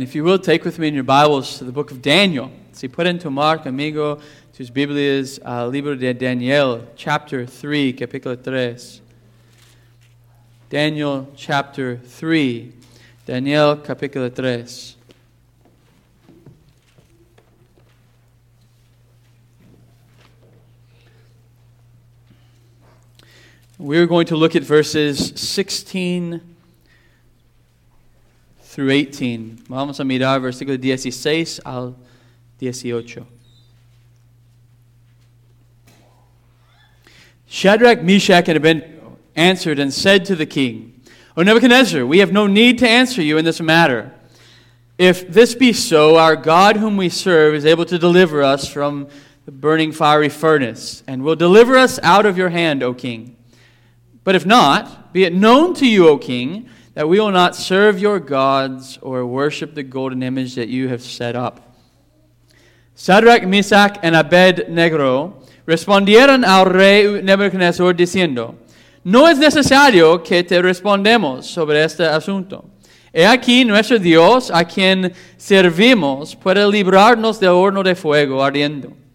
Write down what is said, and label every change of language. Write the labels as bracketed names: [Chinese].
[English] If you will, take with me in your Bibles to the book of Daniel. [Spanish] Si pueden tomar conmigo tus Biblias al libro de Daniel, [English] chapter 3, [Spanish] capítulo 3. [English] Daniel, chapter 3. Daniel, [Spanish] capítulo 3. [English] We are going to look at verses 16 through 18. [Spanish] Vamos a mirar versículo 16 al 18. [English] Shadrach, Meshach, and Abednego answered and said to the king, O Nebuchadnezzar, we have no need to answer you in this matter. If this be so, our God whom we serve is able to deliver us from the burning fiery furnace and will deliver us out of your hand, O king. But if not, be it known to you, O king, that we will not serve your gods or worship the golden image that you have set up. [Spanish] Shadrach, Meshach, and Abednego respondieron al rey Nebuchadnezzar diciendo, No es necesario que te respondamos sobre este asunto. He aquí nuestro Dios a quien servimos puede librarnos del horno de fuego ardiendo.